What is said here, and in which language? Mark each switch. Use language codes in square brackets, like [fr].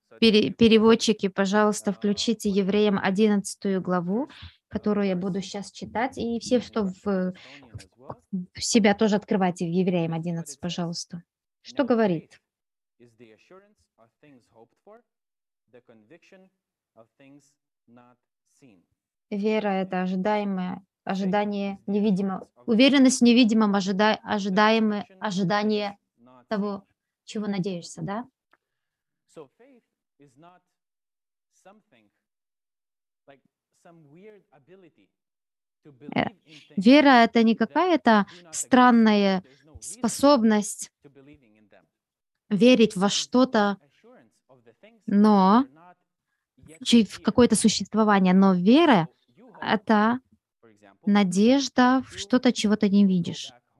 [ru] Переводчики, пожалуйста, включите Евреям 11 главу, которую я буду сейчас читать. И все, что в себя тоже открывайте в Евреям 11, пожалуйста. Что говорит? [en] Is the assurance of things hoped for, the conviction of things not seen. [ru] Вера — это ожидание невидимого, уверенность в невидимом, ожидание того, чего надеешься, да? [en] So faith is not something, like some weird ability to believe in things. [ru] Вера — это не какая-то странная способность верить во что-то, но в какое-то существование. Но вера — это надежда в что-то, чего ты не видишь.